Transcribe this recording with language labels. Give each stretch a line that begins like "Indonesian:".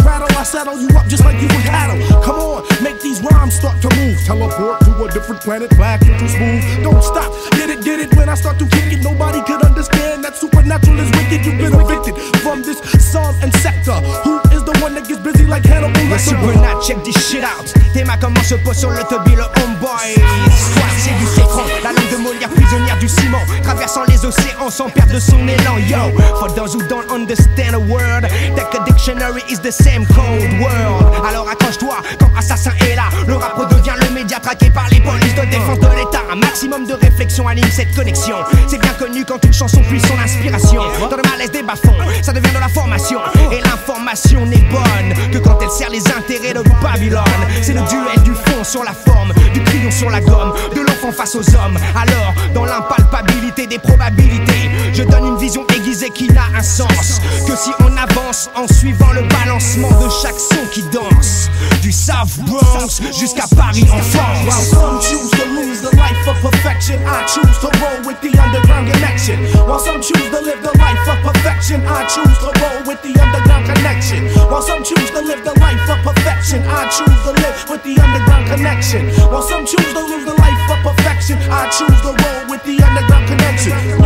English: Rattle, I saddle you up just like you would cattle. Come on, make these rhymes start to move. Teleport to a different planet, black and too smooth. Don't stop, get it when I start to kick it. Nobody could understand that supernatural is wicked. You've been evicted from this song and sector. Who is the one that gets busy like Hannibal Lecter? Yes, you will not check this shit out.
French: T'es ma comment je pose sur le tubi, le homeboy. Soit c'est du sécran, la langue de Molière prisonnière du ciment. Traversant les océans sans perdre son élan.
English: Yo, for those who don't understand a word, take a dictionary is the same cold world.
French: Alors accroche-toi, quand assassin est là. Le rap redevient le média traqué par les polices de défense de l'état. Un maximum de réflexion anime cette connexion. C'est bien connu quand une chanson puise son inspiration. Dans le malaise des bas-fonds, ça devient de la formation. Et l'information n'est bonne que quand elle sert les intérêts de Babylone. C'est le duel du fond sur la forme, du crayon sur la gomme, de l'enfant face aux hommes. Alors, dans l'impalpabilité des probabilités, je donne une vision aiguisée. disait qu'il a un sens. Que si on avance en suivant le balancement de chaque son qui danse, du South Bronx jusqu'à Paris en France.
English: While some choose to lose the life of perfection, I choose to roll with the underground connection. While some choose to live the life of perfection, I choose to roll with the underground connection. While some choose to live the life of perfection, I choose to live with the underground connection. While some choose to lose the life of perfection, I choose to roll with the underground connection.